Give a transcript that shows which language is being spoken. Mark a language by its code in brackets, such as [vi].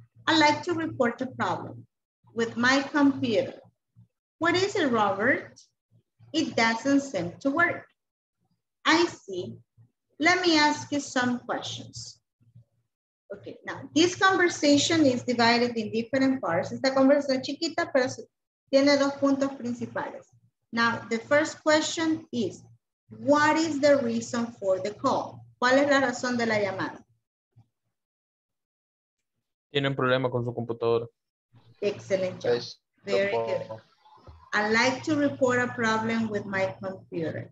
[en] I'd like to report a problem with my computer. What is it, Robert? It doesn't seem to work. I see. Let me ask you some questions. Okay, now this conversation is divided in different parts. [es] Esta conversación chiquita, pero tiene dos puntos principales. [en] Now, the first question is, what is the reason for the call? [es] ¿Cuál es la razón de la llamada? Tiene un problema con su computadora. [en] Excellent job. Yes, very good. I'd like to report a problem with my computer.